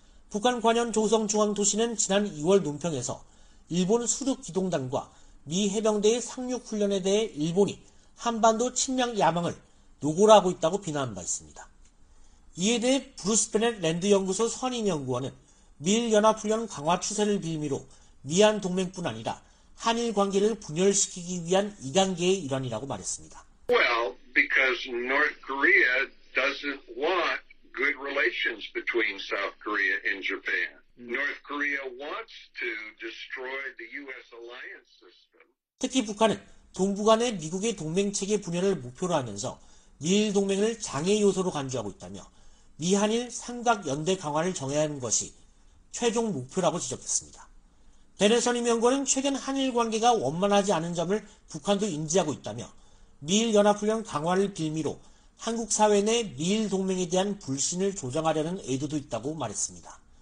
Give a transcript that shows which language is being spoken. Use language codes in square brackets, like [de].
[ko] 북한 관현 조성중앙도시는 지난 2월 논평에서 일본 수륙 기동단과 미 해병대의 상륙훈련에 대해 일본이 한반도 침략 야망을 노골하고 있다고 비난한 바 있습니다. 이에 대해 브루스 베넷 랜드 연구소 선임 연구원은 미일 연합 훈련 강화 추세를 빌미로 미한 동맹뿐 아니라 한일 관계를 분열시키기 위한 2단계의 일환이라고 말했습니다. [en] Well, because North Korea doesn't want good relations between South Korea and Japan. North Korea wants to destroy the US alliance system. [ko] 특히 북한은 동북아 내 미국의 동맹 체계 분열을 목표로 하면서 미일 동맹을 장애 요소로 간주하고 있다며 미한일 삼각 연대 강화를 정해야 하는 것이 최종 목표라고 지적했습니다. 베넷 선임 연구원은 최근 한일 관계가 원만하지 않은 점을 북한도 인지하고 있다며 미일 연합훈련 강화를 빌미로 한국 사회 내 미일 동맹에 대한 불신을 조정하려는 의도도 있다고 말했습니다.